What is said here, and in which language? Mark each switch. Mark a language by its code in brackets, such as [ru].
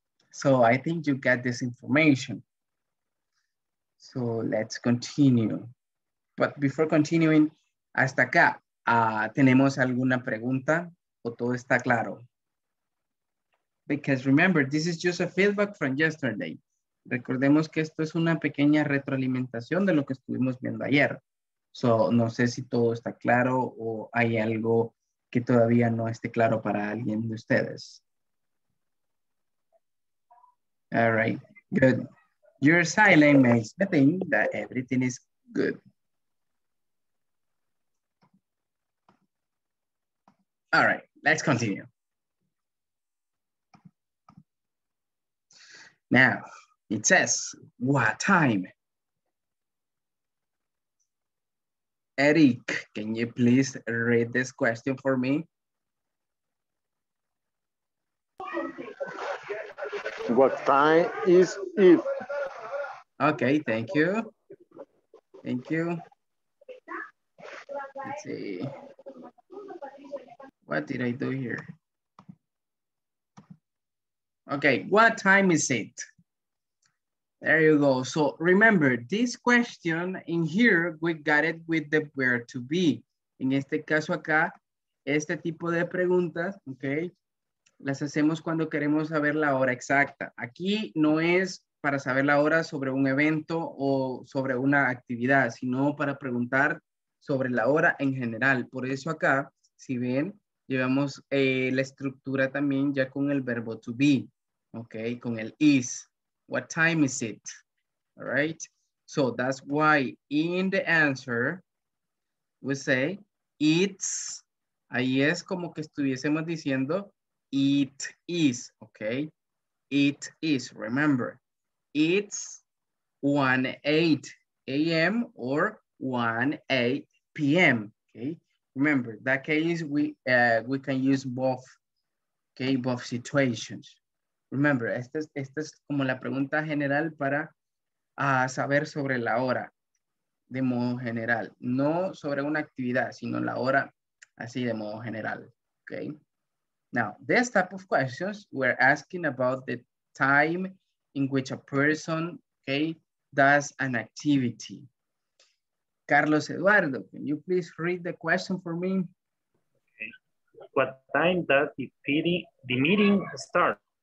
[en] So I think you got this information. So let's continue. But before continuing, [es] hasta acá, ¿tenemos alguna pregunta o todo está claro? [en] Because remember, this is just a feedback from yesterday. [es] Recordemos que esto es una pequeña retroalimentación de lo que estuvimos viendo ayer. [en] So, [es] no sé si todo está claro o hay algo que todavía no esté claro para alguien de ustedes. [en] All right, good. Your silence makes me think that everything is good. All right, let's continue. Now, it says, what time? Eric, can you please read this question for me? What time is it? Okay, thank you. Thank you. Let's see. What did I do here? Okay, what time is it? There you go. So remember, this question in here, we got it with the where to be. [es] En este caso acá, este tipo de preguntas, ok, las hacemos cuando queremos saber la hora exacta. Aquí no es para saber la hora sobre un evento o sobre una actividad, sino para preguntar sobre la hora en general. Por eso acá, si ven, llevamos la estructura también ya con el verbo to be, ok, con el is. [en] What time is it? All right. So that's why in the answer, we say it's, [es] ahí es como que estuviésemos diciendo [en] it is, okay? It is, remember, it's 1:08 a.m. or 1:08 p.m., okay? Remember, that case we can use both, okay, both situations. Remember, [es] esta es como la pregunta general para saber sobre la hora, de modo general. No sobre una actividad, sino la hora así de modo general. [en] Okay. Now, this type of questions, we're asking about the time in which a person, okay, does an activity. Carlos Eduardo, can you please read the question for me? Okay. What time does the meeting start?